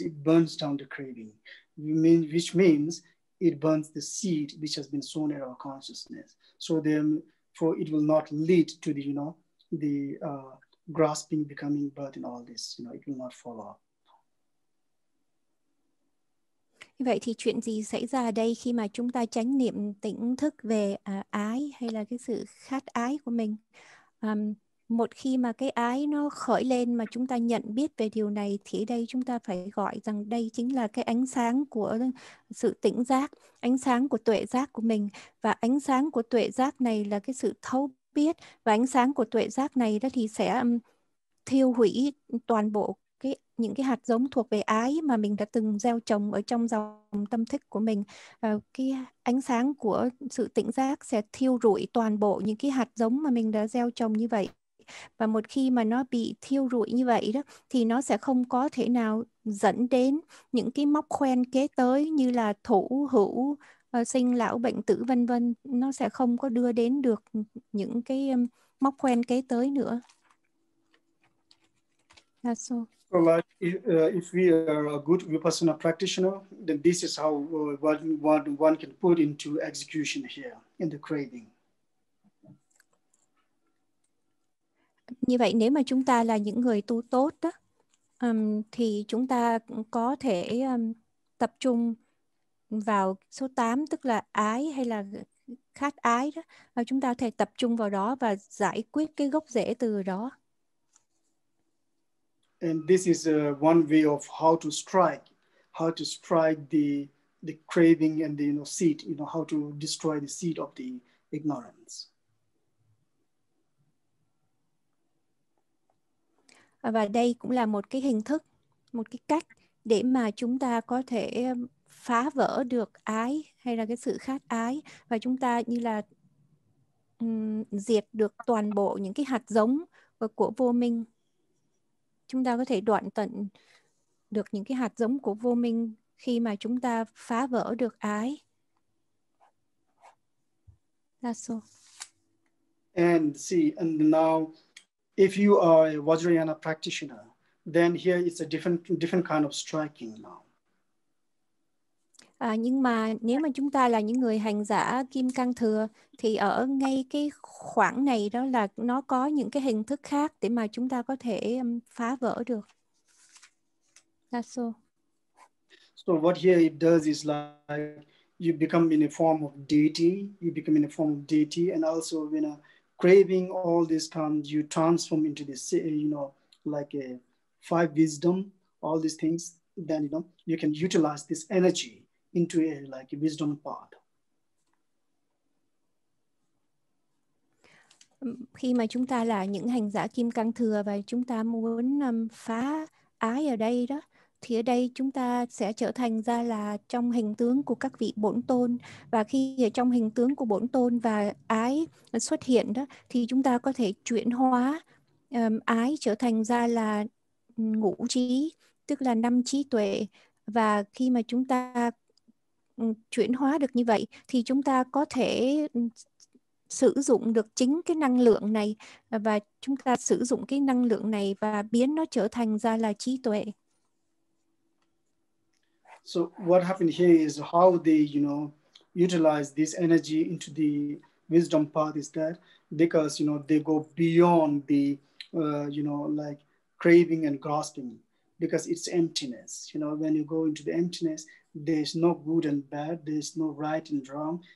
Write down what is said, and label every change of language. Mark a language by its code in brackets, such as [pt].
[en] It burns down the craving, which means it burns the seed which has been sown in our consciousness. So then, for it will not lead to the, you know, the grasping, becoming burden, all this, you know, it will not follow up. [vi] Vậy thì chuyện gì xảy ra ở đây khi mà chúng ta chánh niệm tỉnh thức về ái hay là cái sự khát ái của mình? Một khi mà cái ái nó khởi lên mà chúng ta nhận biết về điều này, thì đây chúng ta phải gọi rằng đây chính là cái ánh sáng của sự tỉnh giác, ánh sáng của tuệ giác của mình. Và ánh sáng của tuệ giác này là cái sự thấu biết, và ánh sáng của tuệ giác này đó thì sẽ thiêu hủy toàn bộ những cái hạt giống thuộc về ái mà mình đã từng gieo trồng ở trong dòng tâm thức của mình. Cái ánh sáng của sự tỉnh giác sẽ thiêu rụi toàn bộ những cái hạt giống mà mình đã gieo trồng như vậy. Và một khi mà nó bị thiêu rụi như vậy đó, thì nó sẽ không có thể nào dẫn đến những cái móc khoen kế tới như là thủ, hữu, sinh, lão, bệnh, tử, vân vân. Nó sẽ không có đưa đến được những cái móc khoen kế tới nữa. [en] That's all. So like if we are a good Vipassana practitioner, then this is how one can put into execution here in the craving. [vi] Như vậy nếu mà chúng ta là những người tu tốt đó, thì chúng ta có thể tập trung vào số 8, tức là ái hay là khát ái đó, và chúng ta có thể tập trung vào đó và giải quyết cái gốc rễ từ đó. [en] And this is one way of how to strike the craving and the, you know, seed, you know, how to destroy the seed of the ignorance. [vi] Và đây cũng là một cái hình thức, một cái cách để mà chúng ta có thể phá vỡ được ái hay là cái sự khát ái, và chúng ta như là diệt được toàn bộ những cái hạt giống của vô minh. Chúng ta có thể đoạn tận được những cái hạt giống của vô minh khi mà chúng ta phá vỡ được ái. [en] That's all. And see, and now, if you are a Vajrayana practitioner, then here it's a different kind of striking now. [vi] Nhưng mà nếu mà chúng ta là những người hành giả Kim Cang Thừa, thì ở ngay cái khoảng này đó là nó có những cái hình thức khác để mà chúng ta có thể phá vỡ được. [en] That's all. So what here it does is like you become in a form of deity, you become in a form of deity, and also when a craving all this comes, you transform into this, you know, like a five wisdom, all these things, then, you know, you can utilize this energy into a, like a wisdom part. [vi] Khi mà chúng ta là những hành giả Kim Cang Thừa và chúng ta muốn phá ái ở đây đó, thì ở đây chúng ta sẽ trở thành ra là trong hình tướng của các vị bổn tôn. Và khi ở trong hình tướng của bổn tôn và ái xuất hiện đó, thì chúng ta có thể chuyển hóa ái trở thành ra là ngũ trí, tức là năm trí tuệ. Và khi mà chúng ta chuyển hóa được như vậy, thì chúng ta có thể sử dụng được chính cái năng lượng này, và chúng ta sử dụng cái năng lượng này và biến nó trở thành ra là trí tuệ. [en] So what happened here is how they, you know, utilize this energy into the wisdom path is that because, you know, they go beyond the, you know, like craving and grasping, because it's emptiness. You know, when you go into the emptiness, there's no good and bad, there's no right and wrong.